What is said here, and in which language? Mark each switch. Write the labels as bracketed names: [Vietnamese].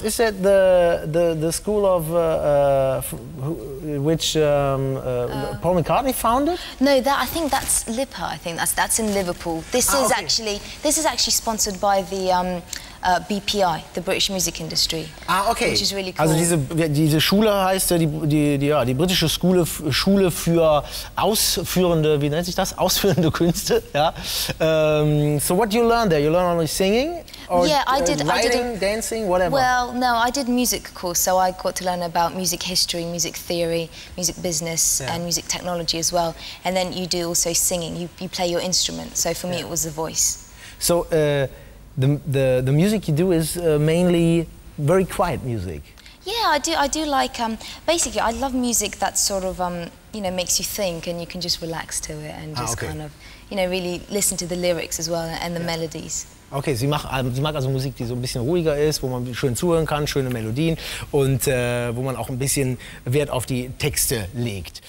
[English] Is that the school of Paul McCartney founded? No, that I think that's Lipa. I think that's in Liverpool. This is actually sponsored by the BPI, the British Music Industry. Ah, okay. Which is really cool. [German] Also diese Schule heißt ja die britische Schule für ausführende, wie nennt sich das? Ausführende Künste, ja. [English] So what do you learn there? You learn only singing? Or yeah, I did. Writing, I did dancing, whatever. Well, no, I did music course, so I got to learn about music history, music theory, music business, yeah, and music technology as well. And then you do also singing. You play your instrument. So for me, yeah, it was the voice. So the music you do is mainly very quiet music. Yeah, I do. I do like basically, I love music that sort of you know, makes you think, and you can just relax to it and just kind of, you know, really listen to the lyrics as well and the, yeah, melodies. [German] Okay, sie mag also Musik, die so ein bisschen ruhiger ist, wo man schön zuhören kann, schöne Melodien und wo man auch ein bisschen Wert auf die Texte legt.